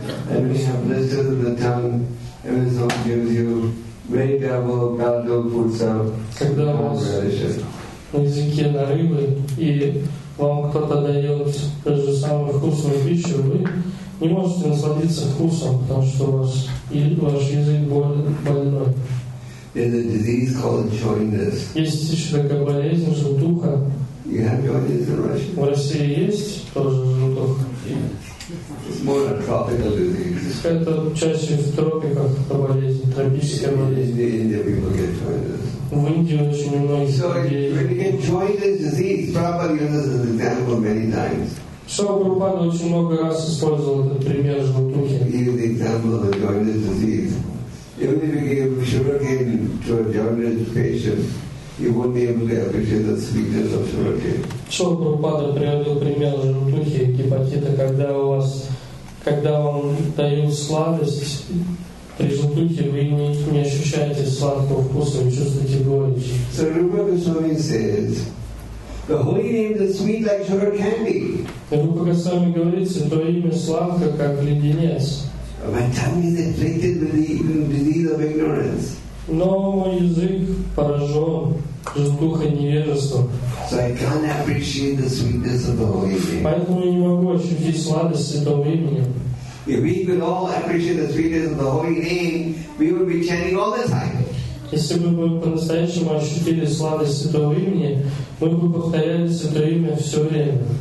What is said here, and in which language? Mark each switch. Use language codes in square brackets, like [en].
[en] And we have blisters in the tongue, and someone gives you very terrible, palatable food, so [ru] когда у вас на языке на рыбы, и вам кто-то дает ту же самую вкусную пищу, вы не можете насладиться вкусом, потому что ваш язык больной. [en] There's a disease called jaundice. [ru] Есть еще такая болезнь желтуха. [en] You have jaundice in Russia? [ru] В России есть тоже желтуха. [en] It's more a tropical disease. [ru] Это чаще в тропиках, это болезнь, тропическая болезнь. [en] In India people get jaundice. [ru] В Индии очень многие. [en] So when you get jaundice disease, Prabhupada uses an example many times. [ru] Шрила Прабхупада очень много раз использовал этот пример желтухи. [en] He gave the example of a jaundice disease. Even if you give sugar cane to a jaundice patient, you won't be able to appreciate the sweetness of sugar cane. [ru] Шрила Прабхупада приводил пример желтухи, гепатита, когда у вас, когда вам дают сладость, при желтухе вы не ощущаете сладкого вкуса, не чувствуете горечь. [en] So Rupa Goswami says, the holy name is sweet like sugar candy. [ru] Рупа Госвами говорит, Святое Имя сладко, как леденец. [en] My tongue is afflicted with the disease of ignorance. [ru] Но мой язык поражен желтухой невежества. [en] So I can't appreciate the sweetness of the holy name. [ru] Поэтому я не могу ощутить сладость Святого Имени. [en] If we could all appreciate the sweetness of the holy name, we would be chanting all the time. [ru] Если бы мы по-настоящему ощутили сладость Святого Имени, мы бы повторяли Святое Имя все время.